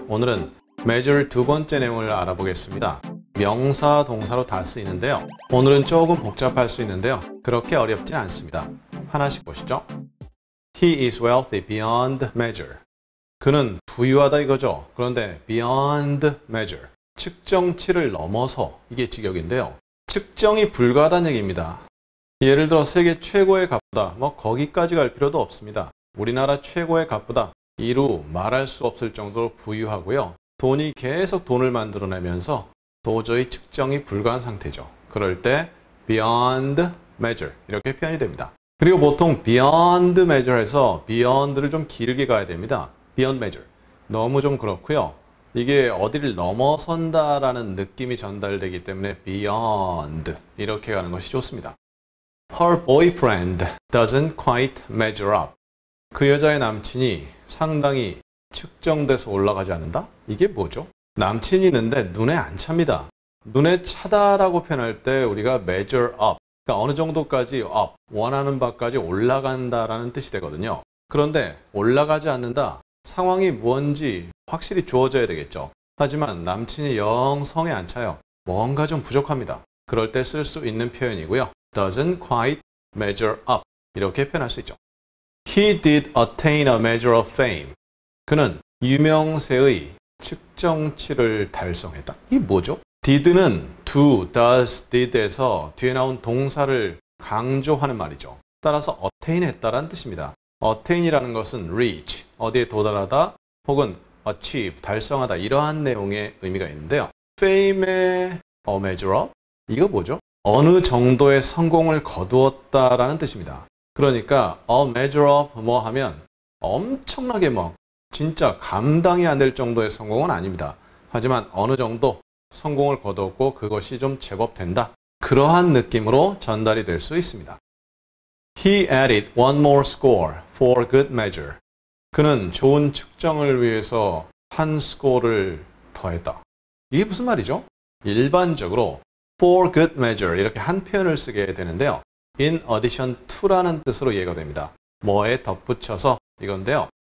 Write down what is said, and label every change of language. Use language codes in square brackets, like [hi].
[ko] 오늘은 매주를 두 번째 내용을 알아보겠습니다. 명사, 동사로 다 쓰이는데요. 오늘은 조금 복잡할 수 있는데요. 그렇게 어렵지 않습니다. 하나씩 보시죠. [en] He is wealthy beyond measure. [ko] 그는 부유하다 이거죠. 그런데 [en] beyond measure, [ko] 측정치를 넘어서, 이게 직역인데요. 측정이 불가하다는 얘기입니다. 예를 들어 세계 최고의 값보다, 뭐 거기까지 갈 필요도 없습니다. 우리나라 최고의 값보다 이루 말할 수 없을 정도로 부유하고요. 돈이 계속 돈을 만들어내면서 도저히 측정이 불가한 상태죠. 그럴 때 [en] beyond measure [ko] 이렇게 표현이 됩니다. 그리고 보통 [en] beyond measure [ko] 에서 beyond를 좀 길게 가야 됩니다. [en] beyond measure. [ko] 너무 좀 그렇고요. 이게 어디를 넘어선다라는 느낌이 전달되기 때문에 beyond 이렇게 가는 것이 좋습니다. [en] Her boyfriend doesn't quite measure up. [ko] 그 여자의 남친이 상당히 측정돼서 올라가지 않는다? 이게 뭐죠? 남친이 있는데 눈에 안 찹니다. 눈에 차다라고 표현할 때 우리가 [en] measure up, [ko] 그러니까 어느 정도까지 up, 원하는 바까지 올라간다라는 뜻이 되거든요. 그런데 올라가지 않는다, 상황이 뭔지 확실히 주어져야 되겠죠. 하지만 남친이 영 성에 안 차요. 뭔가 좀 부족합니다. 그럴 때 쓸 수 있는 표현이고요. [en] doesn't quite measure up [ko] 이렇게 표현할 수 있죠. [en] He did attain a measure of fame. [ko] 그는 유명세의 측정치를 달성했다. 이게 뭐죠? did는 do, does, did에서 뒤에 나온 동사를 강조하는 말이죠. 따라서 attain했다라는 뜻입니다. attain이라는 것은 reach, 어디에 도달하다, 혹은 achieve, 달성하다, 이러한 내용의 의미가 있는데요. fame의 [en] a measure of, [ko] 이거 뭐죠? 어느 정도의 성공을 거두었다라는 뜻입니다. 그러니까 [en] a measure of [ko] 뭐 하면 엄청나게 뭐 진짜 감당이 안 될 정도의 성공은 아닙니다. 하지만 어느 정도 성공을 거두었고 그것이 좀 제법 된다. 그러한 느낌으로 전달이 될 수 있습니다. [en] He added one more score for good measure. [ko] 그는 좋은 측정을 위해서 한 스코어를 더했다. 이게 무슨 말이죠? 일반적으로 [en] for good measure [ko] 이렇게 한 표현을 쓰게 되는데요. [en] In addition to [ko] 라는 뜻으로 이해가 됩니다. 뭐에 덧붙여서 이건데요.